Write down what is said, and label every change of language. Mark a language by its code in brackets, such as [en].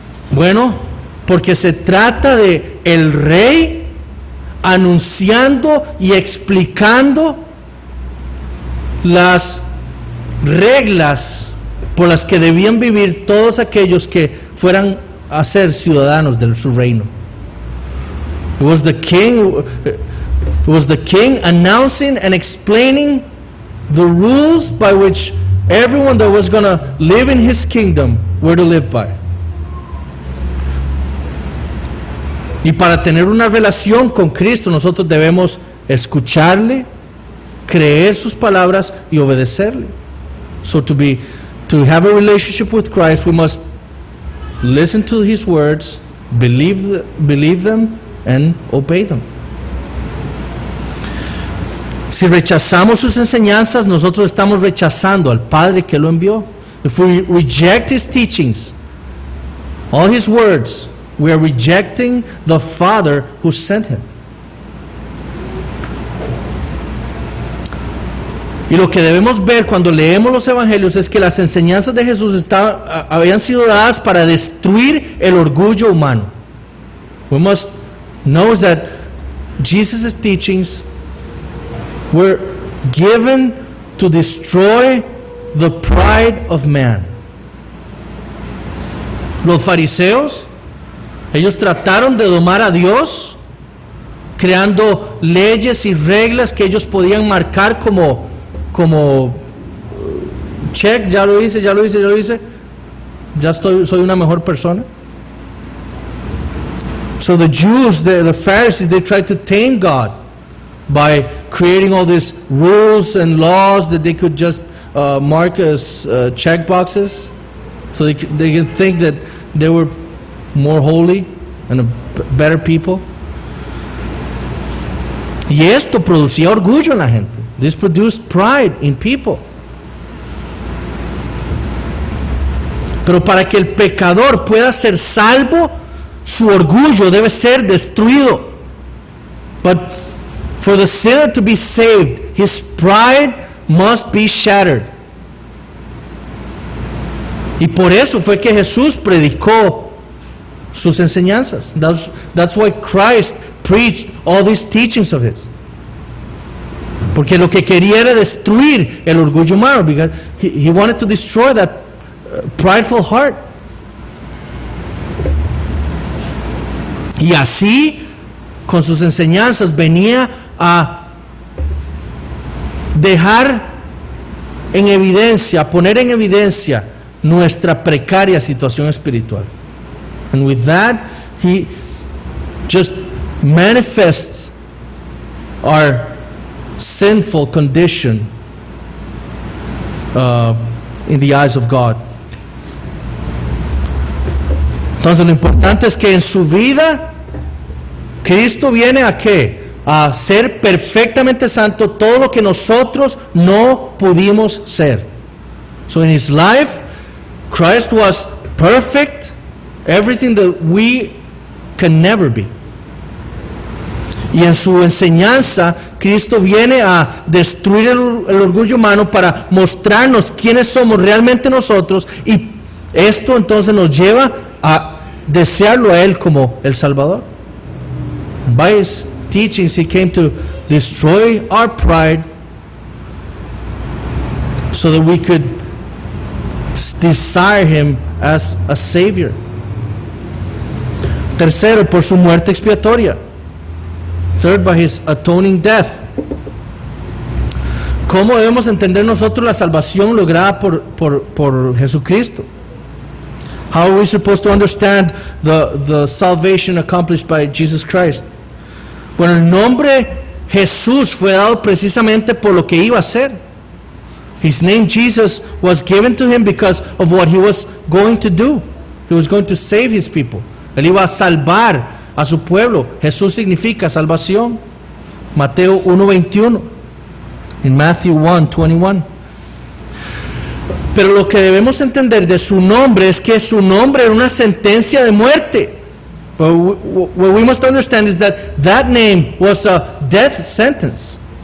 [es] Bueno, porque se trata de el rey anunciando y explicando las reglas por las que debían vivir todos aquellos que fueran a ser ciudadanos de su reino. [en] It was the king announcing and explaining the rules by which everyone that was going to live in his kingdom were to live by. [es] Y para tener una relación con Cristo, nosotros debemos escucharle, creer sus palabras y obedecerle. [en] So to have a relationship with Christ, we must listen to his words, believe them, and obey them. [es] Si rechazamos sus enseñanzas, nosotros estamos rechazando al Padre que lo envió. [en] If we reject his teachings, all his words, we are rejecting the Father who sent him. [es] Y lo que debemos ver cuando leemos los evangelios es que las enseñanzas de Jesús habían sido dadas para destruir el orgullo humano. [en] We must know that Jesus' teachings were given to destroy the pride of man. [es] Los fariseos, ellos trataron de domar a Dios creando leyes y reglas que ellos podían marcar como check, ya lo hice, soy una mejor persona. [en] So the Jews, the Pharisees, they tried to tame God by creating all these rules and laws that they could just mark as check boxes, so they could think that they were more holy and a better people. [es] Y esto producía orgullo en la gente. [en] This produced pride in people. [es] Pero para que el pecador pueda ser salvo, su orgullo debe ser destruido. [en] But for the sinner to be saved, his pride must be shattered. [es] Y por eso fue que Jesús predicó sus enseñanzas. [en] That's why Christ preached all these teachings of his. [es] Porque lo que quería era destruir el orgullo humano. [en] Because he wanted to destroy that prideful heart. [es] Y así, con sus enseñanzas, venía a dejar en evidencia, poner en evidencia nuestra precaria situación espiritual. [en] And with that, he just manifests our sinful condition in the eyes of God. [es] Entonces, lo importante es que en su vida, Cristo viene a qué? A ser perfectamente santo, todo lo que nosotros no pudimos ser. [en] So in his life, Christ was perfect, everything that we can never be. [es] Y en su enseñanza, Cristo viene a destruir el orgullo humano para mostrarnos quiénes somos realmente nosotros, y esto entonces nos lleva a desearlo a Él como el Salvador. [en] By his teachings, he came to destroy our pride so that we could desire him as a savior. [es] Tercero, por su muerte expiatoria. [en] Third, by his atoning death. [es] ¿Cómo debemos entender nosotros la salvación lograda por Jesucristo? [en] How are we supposed to understand the salvation accomplished by Jesus Christ? [es] Bueno, el nombre Jesús fue dado precisamente por lo que iba a hacer. [en] His name Jesus was given to him because of what he was going to do. He was going to save his people. [es] Él iba a salvar a su pueblo. Jesús significa salvación. Mateo 1:21. [en] In Matthew 1:21. [es] Pero lo que debemos entender de su nombre es que su nombre era una sentencia de muerte. [en] But what we must understand is that that name was a death sentence.